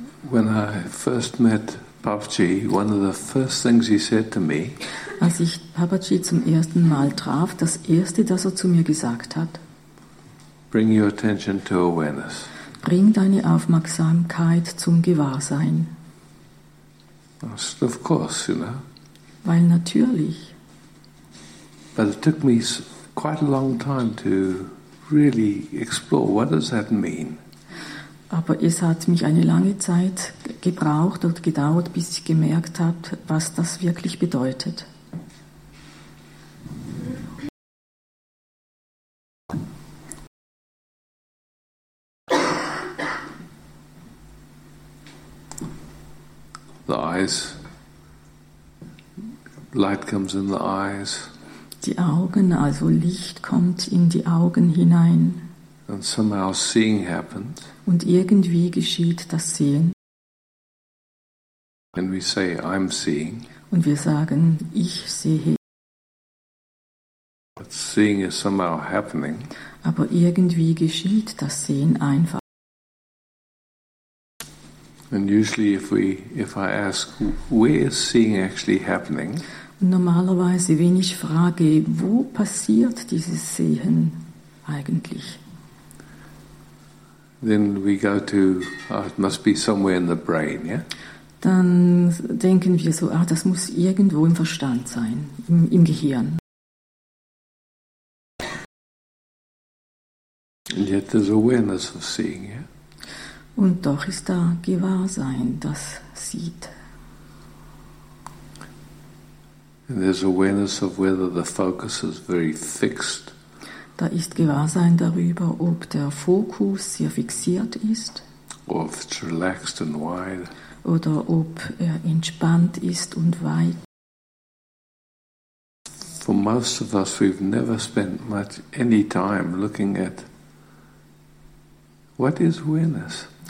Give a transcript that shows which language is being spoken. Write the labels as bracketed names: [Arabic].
[English] When I first met Babaji, one of the first things he said to me. [German] Als ich Babaji zum ersten Mal traf, das erste, das er zu mir gesagt hat. [English] Bring your attention to awareness. [German] Bring deine Aufmerksamkeit zum Gewahrsein. [English] Of course, you know. [German] Weil natürlich. [English] But it took me quite a long time to really explore what does that mean. [German] Aber es hat mich eine lange Zeit gebraucht und gedauert, bis ich gemerkt habe, was das wirklich bedeutet. [English] The eyes. Light comes in the eyes. [German] Die Augen, also Licht kommt in die Augen hinein. [English] And somehow seeing happens. [German] Und irgendwie geschieht das Sehen. [English] And we say, I'm seeing. [German] Und wir sagen, ich sehe. [English] But seeing is somehow happening. [German] Aber irgendwie geschieht das Sehen einfach. [English] And usually if I ask, where is seeing actually happening? [German] Und normalerweise, wenn ich frage, wo passiert dieses Sehen eigentlich? [English] Then we go to, oh, it must be somewhere in the brain, yeah? [German] Dann denken wir so, ah, das muss irgendwo im Verstand sein, im Gehirn. [English] And yet there's awareness of seeing, yeah? [German] Und doch ist da Gewahrsein, das sieht. [English] And there's awareness of whether the focus is very fixed. [German] Da ist Gewahrsein darüber, ob der Fokus sehr fixiert ist. [English] Or if it's relaxed and wide. [German] Oder ob er entspannt ist und weit. [English] For most of us, we've never spent much any time looking at what is awareness.